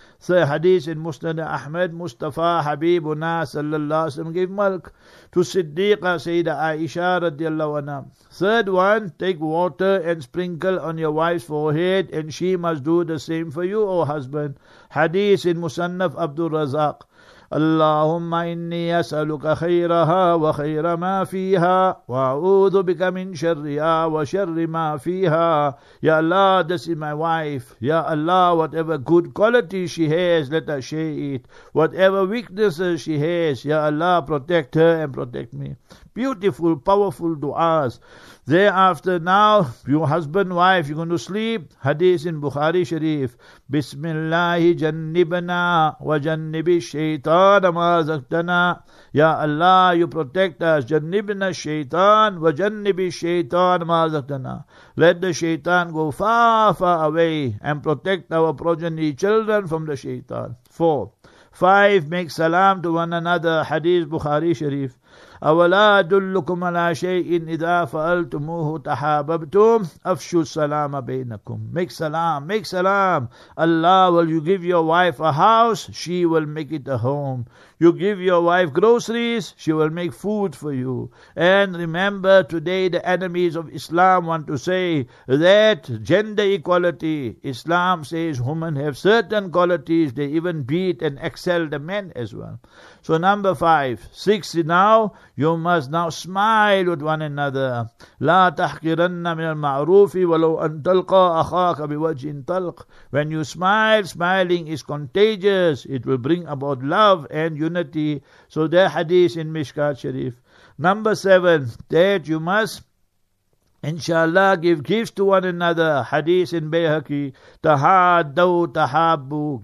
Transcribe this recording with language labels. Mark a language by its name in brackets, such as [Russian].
[English] The hadith in Musnad Ahmed, Mustafa Habibuna sallallahu alaihi wasallam gave milk to Siddiqa Sayyidah Aisha radiallahu anha. Third one, take water and sprinkle on your wife's forehead, and she must do the same for you, O husband. Hadith in Musannaf Abdul Razak. [Arabic] اللهم إني أسألك خيرها وخير ما فيها، وأعوذ بك من شرها وشر ما فيها. [English] يا الله, this is my wife. يا الله, whatever good quality she has, let her share it. Whatever weaknesses she has, يا الله, protect her and protect me. Beautiful, powerful du'as. Thereafter, now, you husband, wife, you're going to sleep. Hadith in Bukhari Sharif. [Arabic] Bismillahi jannibna wa jannibi shaitan ma zaktana. [English] Ya Allah, you protect us. [Arabic] Jannibna shaitan wa jannibi shaitan ma zaktana. [English] Let the shaitan go far, far away and protect our progeny, children, from the shaitan. 4. 5. Make salam to one another. Hadith Bukhari Sharif. [Arabic] أولا أدلكم على شيء إذا فعلتموه تحاببتم أفشوا السلام بينكم. [English] Make salam, make salam. Allah, will you give your wife a house, she will make it a home. You give your wife groceries, she will make food for you. And remember, today the enemies of Islam want to say that gender equality. Islam says women have certain qualities, they even beat and excel the men as well. So number 5, 6 now, you must now smile with one another. [Arabic] لا تحقرن من المعروف ولو أن تلقى أخاك بوجه طلق. [English] When you smile, smiling is contagious. It will bring about love and unity. So there hadith in Mishkat Sharif. Number 7, that you must, inshallah, give gifts to one another. Hadith in Bayhaqi. [Arabic] Tahaddaw tahabbu.